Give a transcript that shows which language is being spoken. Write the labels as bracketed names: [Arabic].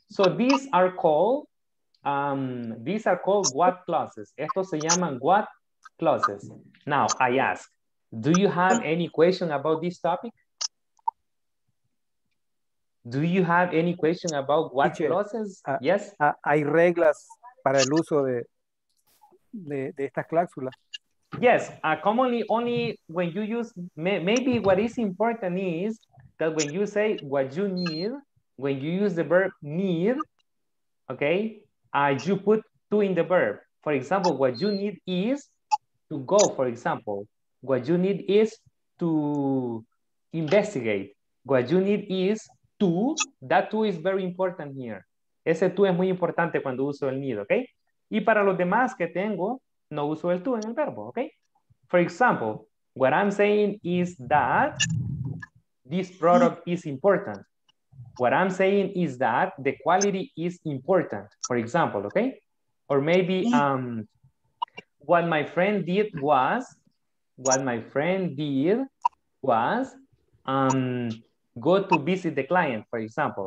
[English] So these are called what clauses. [Spanish] Estos se llaman what clauses. [English] Now I ask, do you have any question about this topic? Do you have any question about what clauses? Yes? [Spanish] Hay reglas para el uso de estas cláusulas. [English] Yes, commonly only when you use, maybe what is important is that when you say what you need, when you use the verb need, okay, you put to in the verb. For example, what you need is to go, for example. What you need is to investigate. What you need is to, that too is very important here. [Spanish] Ese tú es muy importante cuando uso el need, okay? Y para los demás que tengo, no uso el tú en el verbo, okay? [English] For example, what I'm saying is that this product is important. What I'm saying is that the quality is important, for example, okay? Or maybe what my friend did was go to visit the client, for example.